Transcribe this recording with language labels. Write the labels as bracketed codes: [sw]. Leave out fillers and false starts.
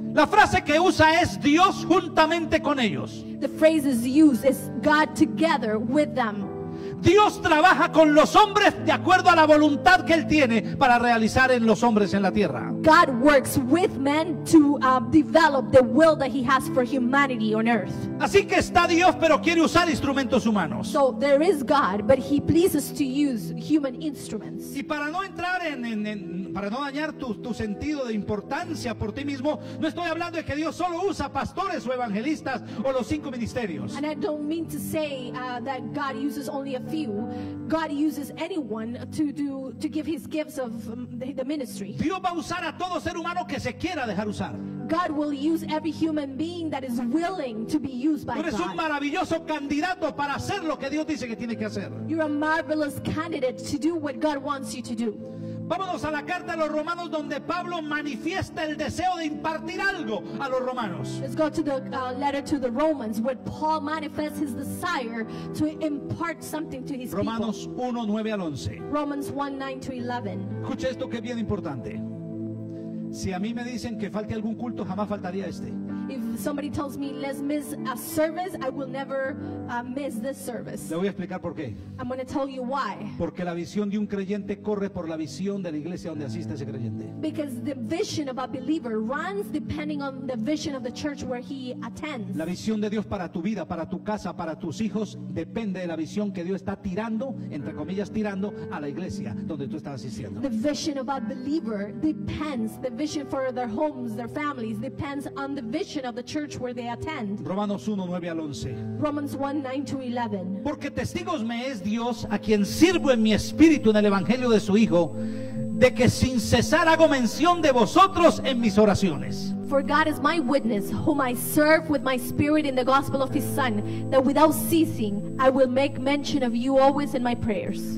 [es] La frase que usa es Dios juntamente con ellos. [en] The phrase is used is God together with them. [es] Dios trabaja con los hombres de acuerdo a la voluntad que él tiene para realizar en los hombres en la tierra. [en] God works with men to develop the will that he has for humanity on earth. [es] Así que está Dios, pero quiere usar instrumentos humanos. [en] So there is God, but he pleases to use human instruments. [es] Y para no entrar en para no dañar tu sentido de importancia por ti mismo, no estoy hablando de que Dios solo usa pastores o evangelistas o los cinco ministerios. [en] And I don't mean to say that God uses only a few. God uses anyone to give his gifts of the ministry. [es] Dios va a usar a todo ser humano que se quiera dejar usar. [en] God will use every human being that is willing to be used by God. [es] Tú eres un maravilloso candidato para hacer lo que Dios dice que tiene que hacer. [en] You're a marvelous candidate to do what God wants you to do. [es] Vámonos a la carta a los Romanos, donde Pablo manifiesta el deseo de impartir algo a los Romanos. [en] Let's go to the letter to the Romans, where Paul manifests his desire to impart something to his people. [es] Romanos 1, 9 al 11. [en] Romans 1, 9 to 11. [es] Escucha esto que es bien importante. Si a mí me dicen que falte algún culto, jamás faltaría este. [en] If somebody tells me let's miss a service, I will never miss this service. [es] Le voy a explicar por qué. [en] I'm going to tell you why. [es] Porque la visión de un creyente corre por la visión de la iglesia donde asiste ese creyente. [en] Because the vision of a believer runs depending on the vision of the church where he attends. [es] La visión de Dios para tu vida, para tu casa, para tus hijos depende de la visión que Dios está tirando, entre comillas tirando, a la iglesia donde tú estás asistiendo. [en] The vision of a believer depends, the vision for their homes, their families depends on the vision of the church where they attend. [es] Romanos 1, 9 al 11. [en] Romans 1, 9 to 11. [es] Porque testigos me es Dios, a quien sirvo en mi espíritu en el evangelio de su Hijo, de que sin cesar hago mención de vosotros en mis oraciones. [en] For God is my witness, whom I serve with my spirit in the gospel of his Son, that without ceasing I will make mention of you always in my prayers.